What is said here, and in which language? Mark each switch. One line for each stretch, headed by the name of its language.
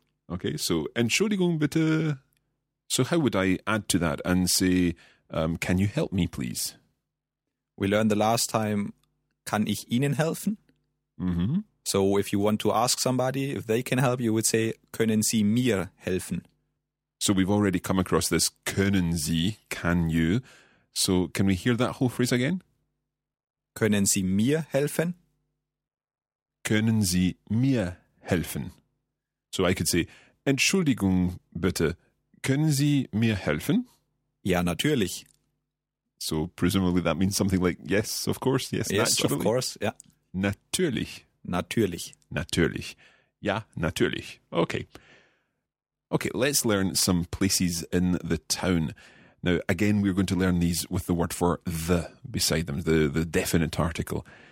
English: Okay, so Entschuldigung bitte. So how would I add to that and say, can you help me, please? We learned the last time, kann ich Ihnen helfen? Mm-hmm. So if you want to ask somebody if they can help, you would say, können Sie mir helfen? So we've already come across this, können Sie, can you? So can we hear that whole phrase again?
German: Können Sie mir helfen? Können Sie mir helfen? So I could say, Entschuldigung bitte, können Sie mir helfen? Ja, natürlich.
English: So presumably that means something like, yes, of course, yes, yes, naturally. Yes, of course, yeah.
German: Natürlich. Natürlich. Natürlich. Ja, natürlich. Okay.
English: Okay, let's learn some places in the town. Now, again, we're going to learn these with the word for the beside them, the definite article.